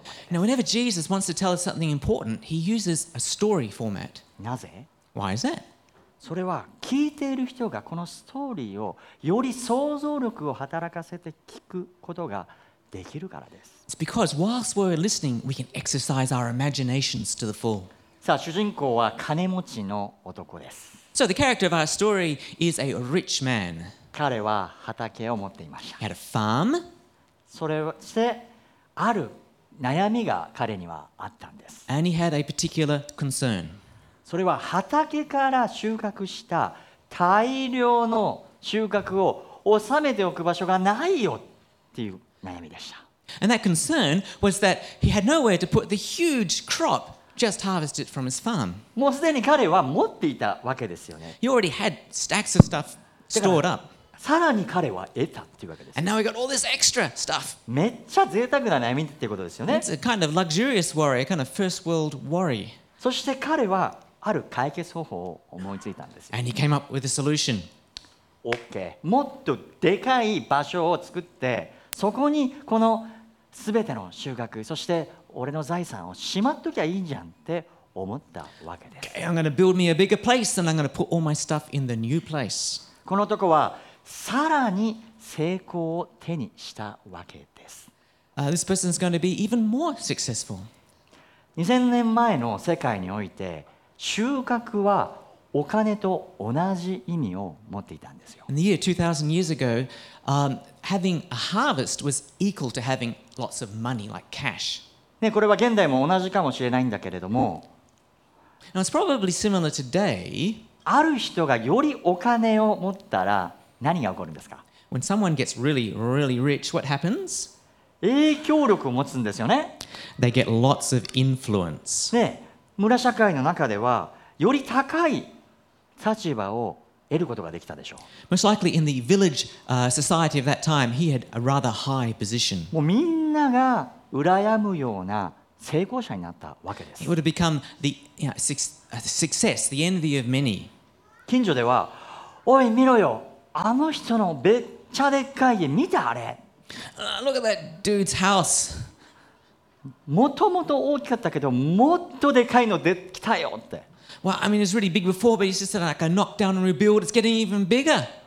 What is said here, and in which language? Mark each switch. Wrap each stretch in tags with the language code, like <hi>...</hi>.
<en>Now, whenever Jesus wants to tell us something important, he uses a story format.</en> <ja>なぜ?</ja> <en>Why is that?</en> <ja>それは聞いている人がこのストーリーをより想像力を働かせて聞くことができるからです。</ja> <en>It's because whilst we're listening, we can exercise our imaginations to the full.</en> <ja>さあ、主人公は金持ちの男です。</ja> <en>So the character of our story is a rich man.</en> <ja>彼は畑を持っていました。</ja> <en>He had a farm.</en> <ja>それをしてある悩みが彼にはあったんです。</ja> <en>And he had a particular concern.</en> <ja>それは畑から収穫した大量の収穫を収めておく場所がないよっていう悩みでした。</ja> <en>And that concern was that he had nowhere to put the huge crop just harvested from his farm.</en> <ja>もうすでに彼は持っていたわけですよね。</ja> <en>He already had stacks of stuff stored up.</en> <ja>さらに彼は得たっていうわけです。</ja> <en>And now he got all this extra stuff.</en> <ja>めっちゃ贅沢な悩みっていうことですよね。</ja> <en>It's a kind of luxurious worry, a kind of first world worry.</en> <ja>そして彼はある解決方法を思いついたんですよ。</ja> <en>And he came up with a solution. Okay.</en> <ja>もっとでかい場所を作って、そこにこのすべての収穫、そして俺の財産をしまっときゃいいじゃんって思ったわけです。</ja> <en>Okay, I'm going to build me a bigger place and I'm going to put all my stuff in the new place.</en> <ja>このとこはさらに成功を手にしたわけです。</ja> <en>This person is going to be even more successful.</en> <ja>2000年前の世界において、収穫はお金と同じ意味を持っていたんですよ。</ja> <en>In the year 2000 years ago, having a harvest was equal to having lots of money like cash.</en> <ja>ね、これは現代も同じかもしれないんだけれども。</ja> <en>Now it's probably similar today.</en> <ja>ある人がよりお金を持ったら、何が起こるんですか?</ja> <en>When someone gets really, really rich, what happens?</en> <ja>影響力を持つんですよね?</ja> <en>They get lots of influence. ね、</en> <ja>村社会の中ではより高い立場を得ることができたでしょう。</ja> <en>Most likely in the village society of that time, he had a rather high position.</en> <ja>もうみんなが羨むような成功者になったわけです。</ja> <en>It would have become the success, the envy of many.</en> <ja>近所では、おい見ろよ、あの人のめっちゃでっかい家見てあれ。</ja> <en>Look at that dude's house.</en> <ja>もともと大きかったけどもっとでかいのできたよって。</ja> <en>Well, I mean, it's really big before, but it's just like a knockdown and rebuild. It's getting even bigger.</en>